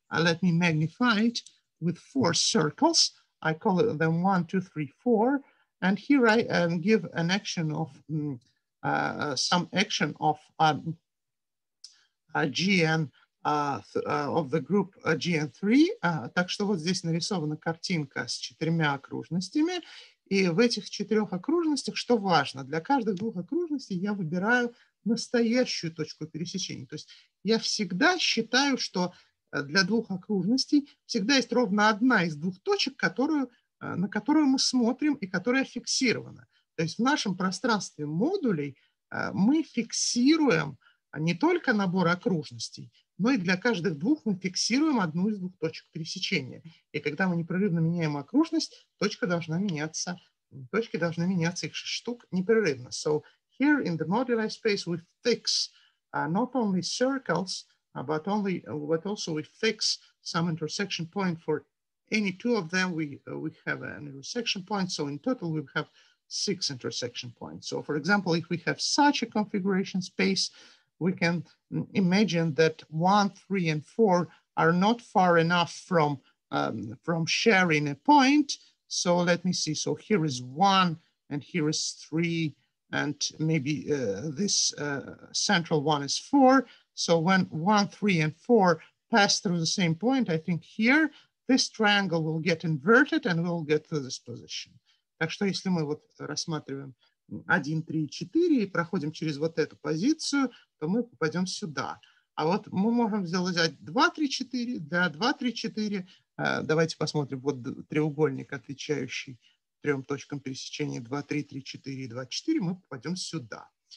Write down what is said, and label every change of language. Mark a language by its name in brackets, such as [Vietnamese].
[English] Let me magnify it. With four circles, I call them 1, 2, 3, 4. And here I give an action of GN of the group GN3. [Russian] Так что вот здесь нарисована картинка с четырьмя окружностями. И в этих четырех окружностях, что важно, для каждых двух окружностей я выбираю настоящую точку пересечения. То есть я всегда считаю, что для двух окружностей всегда есть ровно одна из двух точек, на которую мы смотрим и которая фиксирована. То есть в нашем пространстве модулей мы фиксируем не только набор окружностей, но и для каждых двух мы фиксируем одну из двух точек пересечения. И когда мы непрерывно меняем окружность, точка должна меняться, точки должны меняться, их штук непрерывно. [English] So here in the moduli space we fix not only circles, but also we fix some intersection point for any two of them. We have an intersection point. So in total, we have six intersection points. So for example, if we have such a configuration space, we can imagine that 1, 3, and 4 are not far enough from sharing a point. So let me see. So here is 1, and here is 3, and maybe this central one is 4. So when 1, 3, and 4 pass through the same point, I think here, this triangle will get inverted and we'll get to this position. [Russian] Так что если мы вот рассматриваем 1, 3, 4 и проходим через вот эту позицию, то мы попадем сюда. А вот мы можем сделать 2, 3, 4. Для 2, 3, 4, давайте посмотрим, вот треугольник, отвечающий трем точкам пересечения 2, 3, 3, 4 и 2, 4, мы попадем сюда.